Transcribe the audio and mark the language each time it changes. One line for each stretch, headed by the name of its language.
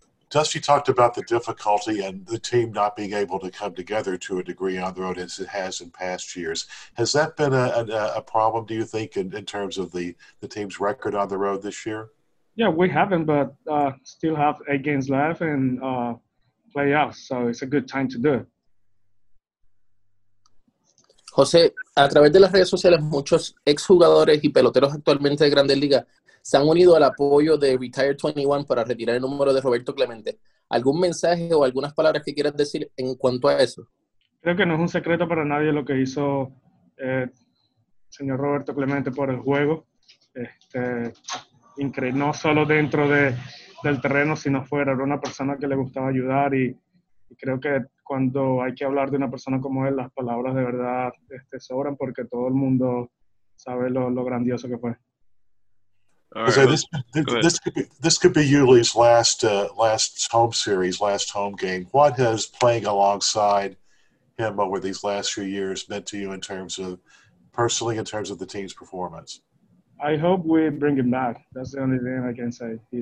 English: Dusty talked about the difficulty and the team not being able to come together to a degree on the road as it has in past years. Has that been a problem, do you think, in terms of the team's record on the road this year? Yeah, we haven't, but still have 8 games left and playoffs, so it's a good time to do it.
Spanish: José, a través de las redes sociales, muchos exjugadores y peloteros actualmente de Grandes Ligas se han unido al apoyo de Retire 21 para retirar el número de Roberto Clemente. ¿Algún mensaje o algunas palabras que quieras decir en cuanto a eso? Creo que no es un secreto para nadie lo que hizo señor Roberto Clemente por el juego. No solo dentro del terreno, sino fuera. Era una persona que le gustaba ayudar y creo que cuando hay que hablar de una persona como él, las palabras de verdad sobran porque todo el mundo sabe lo grandioso que fue.
English: Right, so this could be Yuli's last home series, last home game. What has playing alongside him over these last few years meant to you in terms of personally, in terms of the team's performance? I hope we bring him back. That's the only thing I can say.